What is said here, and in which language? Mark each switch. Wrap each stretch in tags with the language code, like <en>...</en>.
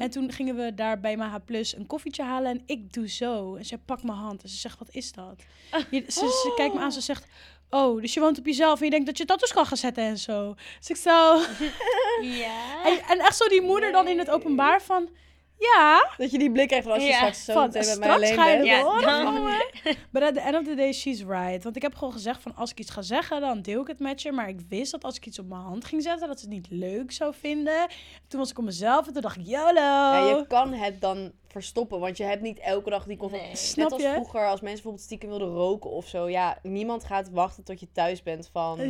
<nl>En toen gingen we daar bij Maha Plus een koffietje halen. En ik doe zo. En zij pakt mijn hand. En ze zegt, wat is dat? Ze kijkt me aan. Ze zegt, oh, dus je woont op jezelf. En je denkt dat je tattoos kan gaan zetten en zo. Dus ik zo... Ja. En echt zo die moeder dan in het openbaar van... Ja. Dat je die blik krijgt als je straks met mij alleen bent. Ja, maar</nl> <en>at the end of the day, she's right.</en> <nl>Want ik heb gewoon gezegd van, als ik iets ga zeggen, dan deel ik het met je. Maar ik wist dat als ik iets op mijn hand ging zetten, dat ze het niet leuk zou vinden. Toen was ik op mezelf en toen dacht ik, YOLO. Ja, je kan het dan verstoppen, want je hebt niet elke dag die conflict. Nee. Snap je? Net als vroeger, als mensen bijvoorbeeld stiekem wilden roken of zo. Ja, niemand gaat wachten tot je thuis bent van...</nl>